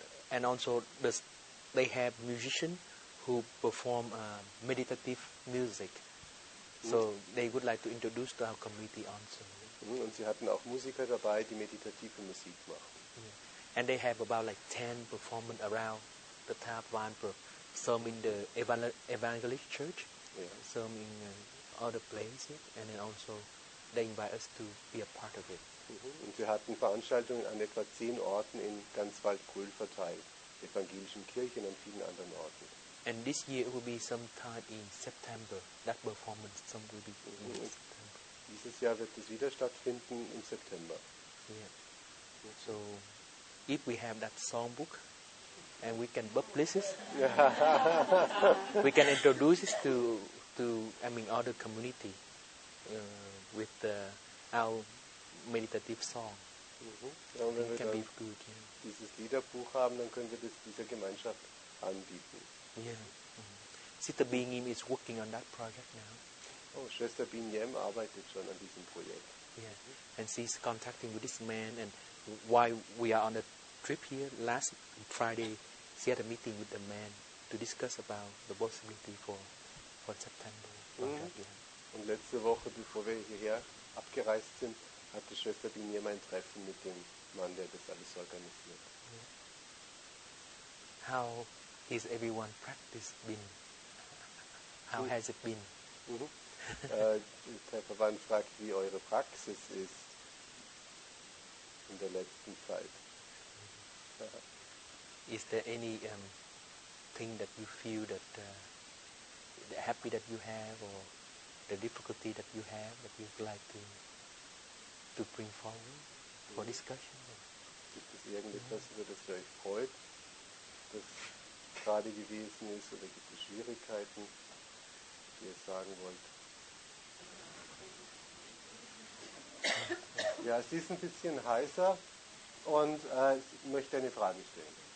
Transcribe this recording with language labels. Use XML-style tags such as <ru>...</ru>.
<en>They have musicians who perform meditative music. So they would like to introduce to our community also.</en> <de>Und sie hatten auch Musiker dabei, die meditative Musik machen.</de> <en>Yeah. And they have about like 10 performers around the Tab Weinberg. Some in the Evangelist Church, yeah. Some in other places, and then also they invite us to be a part of it.</en> <de>Und sie hatten Veranstaltungen an etwa 10 Orten in ganz Waldbröl verteilt, evangelischen Kirchen und vielen anderen Orten.</de> <en>And this year it will be sometime in September, that performance, some will be in September.</en> <de>Dieses Jahr wird es wieder stattfinden im September.</de> <en>Yeah. So, if we have that songbook and we can publish it, we can introduce it to other community with our meditative song. Mm-hmm. Ja, it can</en> <de>dann</de> <en>be good, yeah.</en> <de>Dieses Liederbuch haben, dann können wir das dieser Gemeinschaft anbieten.</de> <en>Yeah. Mm-hmm. Sister Bingyim is working on that project now.</en> <de>Oh, Schwester Bingyim arbeitet schon an diesem Projekt.</de> <en>Yeah. And she's contacting with this man, and why we are on a trip here last Friday, she had a meeting with the man to discuss about the possibility for September. Mm-hmm.</en> <de>Und letzte Woche, bevor wir hierher abgereist sind, hatte Schwester Bingyim ein Treffen mit dem Mann, der das alles organisiert.</de> <en>Yeah. How is everyone practice been? How has it been?</en> <de>Der Verband fragt, wie eure Praxis ist in der letzten Zeit. Mm-hmm.</de> <en>Is there any thing that you feel that the happy that you have or the difficulty that you have that you'd like to bring forward for discussion?</en> <de>Gibt es irgendetwas, über das ihr euch freut, das gerade gewesen ist, oder gibt es Schwierigkeiten, die ihr sagen wollt? Ja, es ist ein bisschen heißer und ich möchte eine Frage stellen.</de>